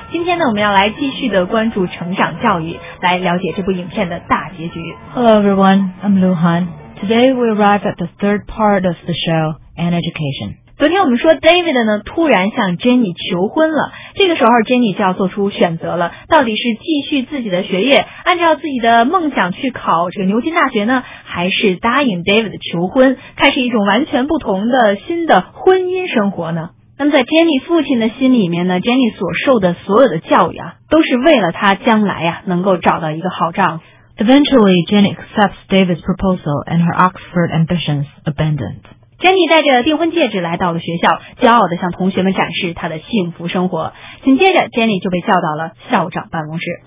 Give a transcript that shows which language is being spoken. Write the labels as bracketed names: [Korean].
[Chinese] 今天呢，我们要来继续的关注成长教育，来了解这部影片的大结局。 [English] Hello everyone, I'm Lu Han. Today we arrive at the third part of the show, An Education. [Chinese] 昨天我们说 David 呢突然向 Jenny 求婚了，这个时候 Jenny 就要做出选择了，到底是继续自己的学业，按照自己的梦想去考这个牛津大学呢，还是答应 David 的求婚，开始一种完全不同的新的婚姻生活呢？那么在 Jenny 父亲的心里面呢， Jenny 所受的所有的教育啊，都是为了她将来啊能够找到一个好丈夫。 [English] Eventually, Jenny accepts David's proposal and her Oxford ambitions abandoned. [Chinese] 珍妮带着订婚戒指来到了学校，骄傲地向同学们展示她的幸福生活。紧接着，珍妮就被叫到了校长办公室。